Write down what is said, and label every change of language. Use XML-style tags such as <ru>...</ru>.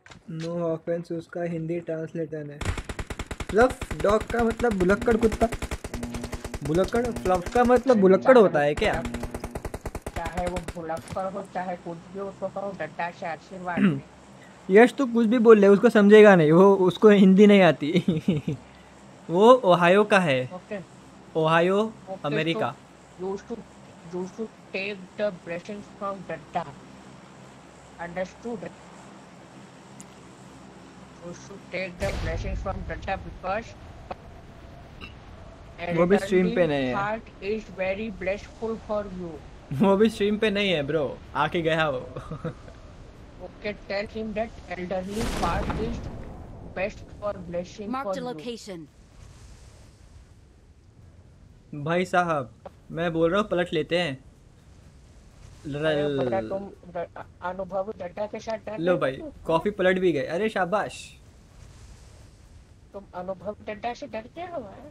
<hi>No offence उसका Hindi translator है fluff dog का मतलब बुलक्कड़ कुत्ता बुलक्कड़ फ्लफ का मतलब बुलक्कड़ होता है क्या चाहे वो बुलक्कड़ हो चाहे कुछ भी उसको कहो डट्टा से आशीर्वाद यश तो कुछ भी बोल ले उसको समझेगा नहीं वो उसको हिंदी नहीं आती वो ओहायो का है</hi> <en>okay. Ohio, okay, America. You should take the blessings from Dada. Understood? You should take the blessings from Dada because</en> <hi>वो भी stream पे नहीं है.</hi> <en>Heart is very blissful for you.</en> <hi>वो भी stream पे नहीं है, bro. आके गया वो.</hi> <en>Okay, tell him that elderly heart is best for blessing Marked for you. Mark the location.</en> <hi>भाई साहब मैं बोल रहा हूँ पलट लेते हैं लो भाई कॉफी पलट भी गए अरे शाबाश तुम अनुभव डड्डा से डरते हो</hi>